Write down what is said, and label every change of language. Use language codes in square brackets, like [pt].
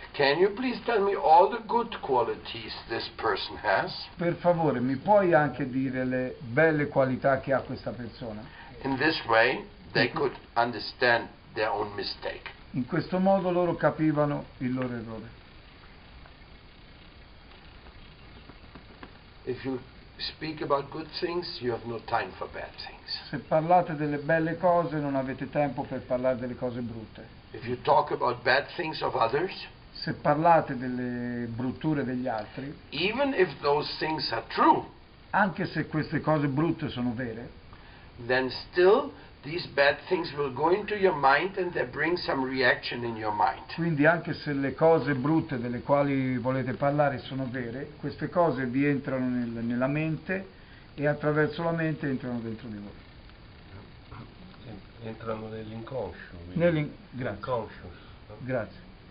[en] can you please tell me all the good qualities this person has? [it] Per favore, mi puoi anche dire le belle qualità che ha questa persona? [en] In this way, they could understand their own mistake. [it] In questo modo loro capivano il loro errore. [en] If you speak about good things, you have no time for bad things. [it] Se parlate delle belle cose, non avete tempo per parlare delle cose brutte. [en] If you talk about bad things of others, [it] se parlate delle brutture degli altri, [en] even if those things are true, [it] anche se queste cose brutte sono vere, [en] then still these bad things will go into your mind and they bring some reaction in your mind. [it] Quindi anche se le cose brutte delle quali volete parlare sono vere, queste cose vi entrano nella mente e attraverso la mente entrano dentro di voi. Entrano nell'inconscio. Nell'inconscious. Grazie.